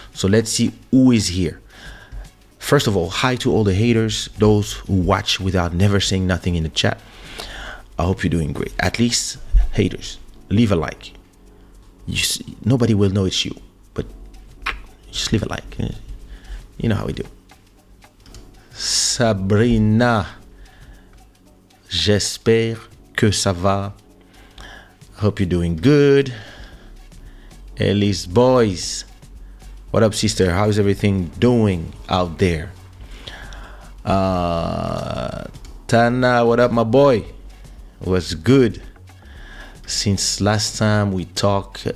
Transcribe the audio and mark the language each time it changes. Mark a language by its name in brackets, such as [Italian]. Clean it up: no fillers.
[English] So let's see who is here. First of all, hi to all the haters, those who watch without never saying nothing in the chat. I hope you're doing great. At least, haters, leave a like. You see, nobody will know it's you, but just leave a like. You know how we do. [French] Sabrina, j'espère que ça va. [English] I hope you're doing good. Ellie's boys, what up, sister? How is everything doing out there? Tana, what up, my boy? Was good since last time we talked.